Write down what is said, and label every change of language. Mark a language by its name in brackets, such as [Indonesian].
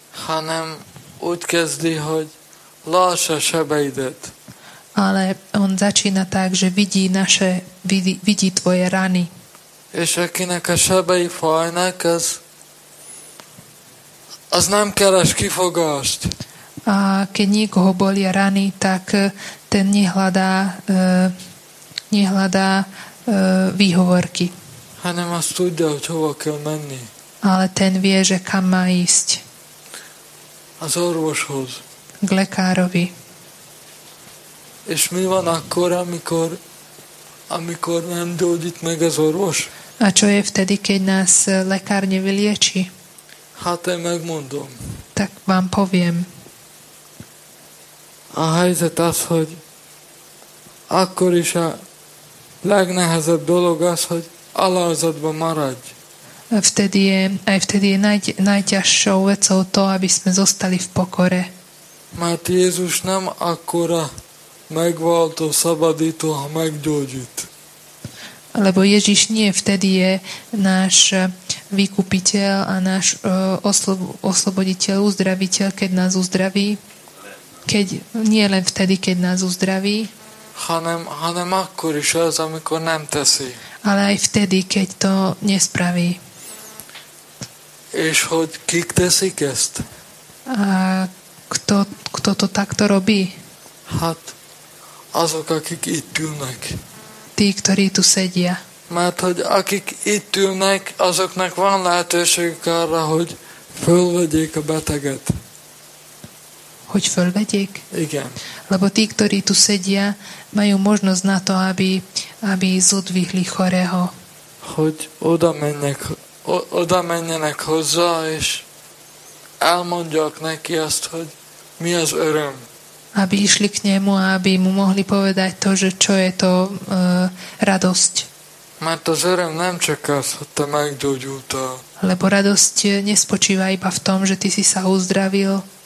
[Hungarian] Hanem úgy kezdi, hogy láss a sebeidet. [Slovak] Ale on začína tak, že vidí naše, vidí tvoje rany. [Hungarian] És akinek a sebei fajnak, az nem keres kifogást. [Slovak] A keď niekoho bolia rany, tak ten nehľadá výhovorky. [Hungarian] Hanem azt tudja, hogy hova kell menni. [Slovak] Ale ten vie, že kam má ísť. [Hungarian] Az orvoshoz. [Slovak] K lekárovi. [Hungarian] És mi van akkor, amikor nem gyógyít meg az orvos? [Slovak] A čo je vtedy, keď nás lekár nevylieči? [Hungarian] Hát én megmondom. [Slovak] Tak vám poviem. [Hungarian] A helyzet az, hogy akkor is a legnehezebb dolog az, hogy alázatban maradj. [Slovak] Vtedy je najťažšou vecou to, aby sme zostali v pokore. [Hungarian] Mert Jézus nem akkora megváltó, szabadító, ha meggyógyít. [Slovak] Lebo Ježiš nie vtedy je náš vykupiteľ a náš osloboditeľ, uzdraviteľ, keď nás uzdraví. Keď nie len vtedy, keď nás uzdraví. [Hungarian] Hanem akkor is az, amikor nem teszi. [Slovak] Ale aj vtedy, keď to nespraví. [Hungarian] És hogy kik teszik ezt? [Slovak] A kto to takto robí? [Hungarian] Hát, azok, akik itt ülnek. [Slovak] Tí, ktorí tu sedia. [Hungarian] Mert hogy akik itt ülnek, azoknak van lehetőségük arra, hogy fölvegyék a beteget. Hogy fölvegyék? Igen. [Slovak] Lebo tí, ktorí tu sedia, majú možnosť na to, aby zodvihli chorého. [Hungarian] Hogy oda mennek oda menjenek hozzá, és elmondják neki azt, hogy mi az öröm. [Slovak] Aby išli k nemu, aby mu mohli povedať to, že čo je to radosť. [Hungarian] Mert az öröm nem csak az, hogy te meggyógyultál. [Slovak] Lebo radosť nespočíva iba v tom, že ty si sa uzdravil.